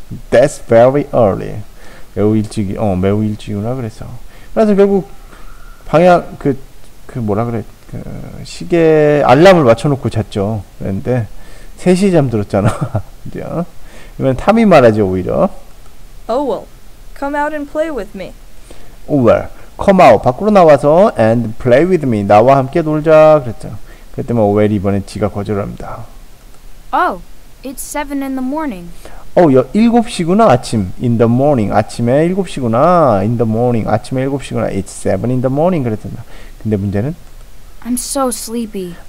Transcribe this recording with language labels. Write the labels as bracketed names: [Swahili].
[English] That's very early. [Korean] 매우 일찍이 어 매우 일찍이구나 그래서. 그래서 결국 방향 그 뭐라 그래 그 시계 알람을 맞춰놓고 잤죠. 그런데 3시에 잠들었잖아. 이제 이번 탐이 말하지 오히려. [English] Oh well, come out and play with me. Oh well, come out. [Korean] 밖으로 나와서 [English] and play with me. [Korean] 나와 함께 놀자 그랬죠. 그랬더니 오웰 이번에 지가 거절합니다. [English] Oh, it's 7 in the morning. [Korean] 어, 7시구나 아침. [English] In the morning. [Korean] 아침에 7시구나. In the morning. 아침에 7시구나. [English] It's 7 in the morning. [Korean] 그랬더니. 근데 문제는? [English] I'm so sleepy.